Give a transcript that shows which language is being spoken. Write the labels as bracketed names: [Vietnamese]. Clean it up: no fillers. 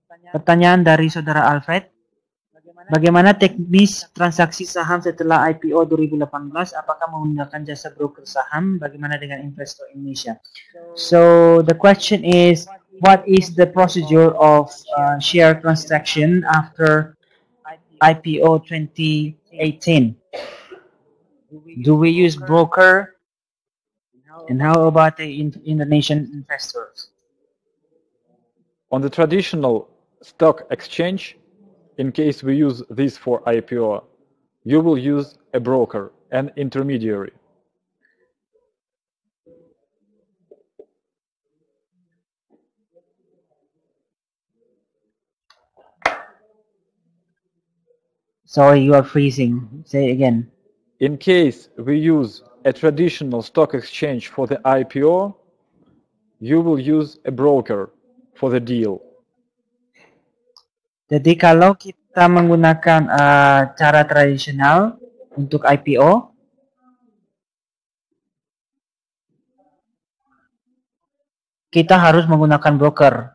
[Indonesian] Pertanyaan dari saudara Alfred. Bagaimana teknis transaksi saham setelah IPO 2018? Apakah menggunakan jasa broker saham? Bagaimana dengan investor Indonesia? [English] So the question is, what is the procedure of share transaction after IPO 2018? Do we use broker? And how about the Indonesian investors? On the traditional stock exchange, in case we use this for IPO, you will use a broker, an intermediary. Sorry, you are freezing. Say it again. In case we use a traditional stock exchange for the IPO, you will use a broker for the deal. [Indonesian] Jadi kalau kita menggunakan cara tradisional untuk IPO, kita harus menggunakan broker.